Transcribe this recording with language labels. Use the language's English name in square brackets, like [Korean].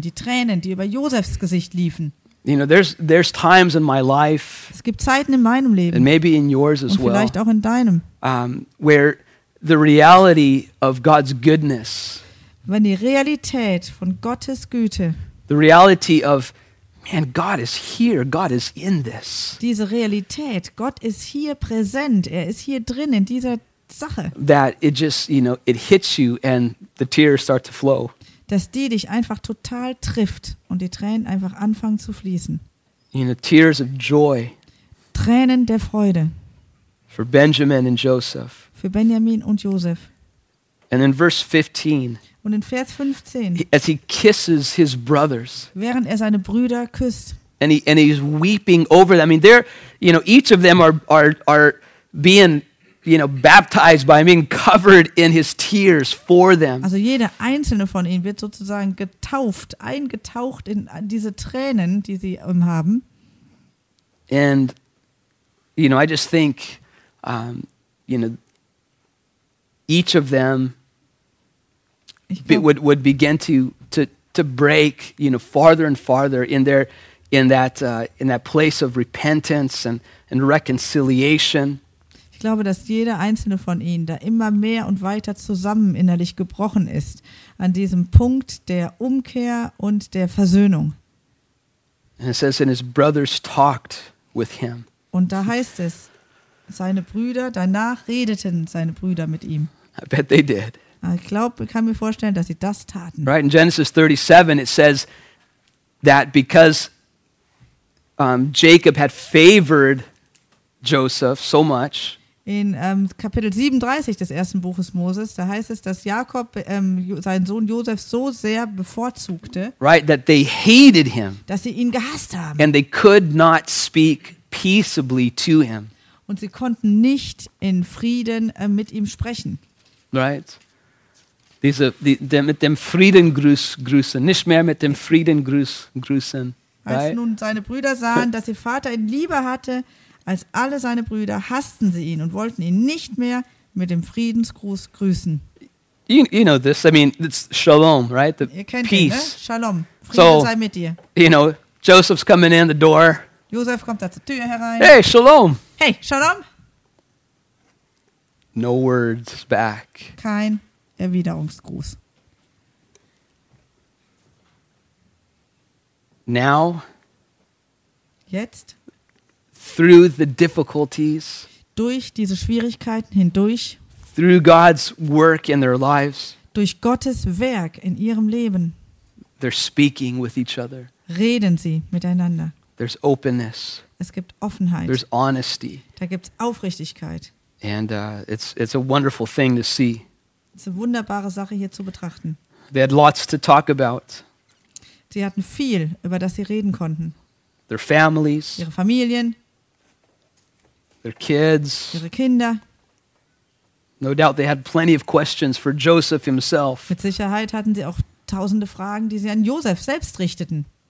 [German] Die Tränen, die über Josephs Gesicht liefen. [English] You know, there's times in my life. [German] Es gibt Zeiten in meinem Leben. [English] And maybe in yours as well. [German] Vielleicht auch in deinem. [English] Where the reality of God's goodness. [German] Wenn die Realität von Gottes Güte, [English] the reality of, man, God is here, God is in this. [German] Diese Realität, Gott ist hier präsent, er ist hier drin in dieser Sache. [English] That it just, you know, it hits you and the tears start to flow. [German] Dass die dich einfach total trifft und die Tränen einfach anfangen zu fließen. [English] You know, tears of joy. [German] Tränen der Freude. [English] For Benjamin and Joseph. [German] Für Benjamin und Joseph. [English] And in verse 15, [German] und in Vers 15, [English] as he kisses his brothers, [German] während er seine Brüder küsst, [English] and he's weeping over them. I mean, they're, you know, each of them are being, you know, baptized by him, being covered in his tears for them. [German] Also jeder einzelne von ihnen wird sozusagen getauft, eingetaucht in diese Tränen, die sie haben. [English] And, you know, I just think, you know, each of them would begin to break, you know, farther and farther in their in that place of repentance and reconciliation. [German] Ich glaube, dass jeder einzelne von ihnen da immer mehr und weiter zusammen innerlich gebrochen ist an diesem Punkt der Umkehr und der Versöhnung. [English] And it says, and his brothers talked with him. [German] Und da heißt es, seine Brüder, danach redeten seine Brüder mit ihm. [English] I bet they did. [German] Ich glaube, ich kann mir vorstellen, dass sie das taten. [English] Right, in Genesis 37, it says that because Jacob had favored Joseph so much. [German] In Kapitel 37 des ersten Buches Moses, da heißt es, dass Jakob seinen Sohn Joseph so sehr bevorzugte. [English] Right, that they hated him. [German] Dass sie ihn gehasst haben. [English] And they could not speak peaceably to him. [German] Und sie konnten nicht in Frieden mit ihm sprechen. [English] Right. [German] Diese, die, mit dem Frieden grüßen. Nicht mehr mit dem Frieden grüßen. [English] Right? [German] Als nun seine Brüder sahen, dass ihr Vater ihn lieber hatte als alle seine Brüder, hassten sie ihn und wollten ihn nicht mehr mit dem Friedensgruß grüßen. [English] You know this. I mean, it's Shalom, right? [German] The ihr kennt peace. Ihn, ne? Shalom. Frieden so, sei mit dir. [English] You know, Joseph's coming in the door. [German] Josef kommt da zur Tür herein. [English] Hey, Shalom. [German] Hey, Shalom. [English] No words back. [German] Kein Erwiderungsgruß. [English] Now. [German] Jetzt. [English] Through the difficulties. [German] Durch diese Schwierigkeiten hindurch. [English] Through God's work in their lives. [German] Durch Gottes Werk in ihrem Leben. [English] They're speaking with each other. [German] Reden sie miteinander. [English] There's openness. [German] Es gibt Offenheit. [English] There's honesty. [German] Da gibt's Aufrichtigkeit. [English] And it's a wonderful thing to see. [German] Es ist eine wunderbare Sache hier zu betrachten. [English] They had lots to talk about. [German] Sie hatten viel, über das sie reden konnten. [English] Their families. [German] Ihre Familien. [English] Their kids. [German] Ihre Kinder. [English] No doubt they had plenty of questions for Joseph himself. [German] Mit Sicherheit hatten sie auch tausende Fragen, die sie an Joseph selbst richteten.